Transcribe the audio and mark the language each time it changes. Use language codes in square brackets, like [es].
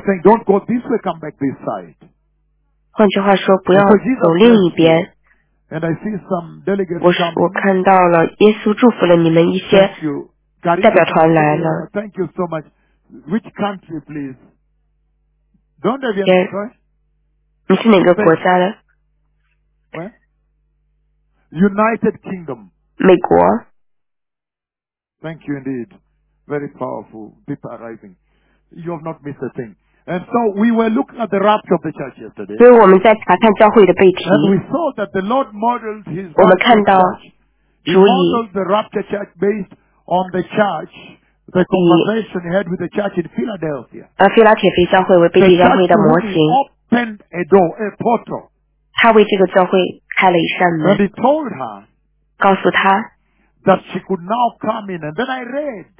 [en] Don't go this way, come back this side. [zh] 换句话说，不要走另一边。我看到了耶稣祝福了你们一些代表团来了。 [en] Thank you so much. Which country, please? Don't have any choice. [zh] 你是哪个国家的？ [en] Where? United Kingdom. [zh] 美国。 [en] Thank you indeed. Very powerful. Deep arising. You have not missed a thing. And so we were looking at the rapture of the church yesterday. [zh] 所以我们在查看教会的背题。 [en] And we saw that the Lord modeled His. [zh] 我们看到主以 [en] modeled the rapture church based on the church, the conversation he had with the church in Philadelphia. [zh] 菲拉铁菲教会为背地教会的模型。 [en] Opened a door, a portal. [zh] 他为这个教会开了一扇门。 [en] And he told her. [zh] 告诉他。 [en] That she could now come in, and then I read.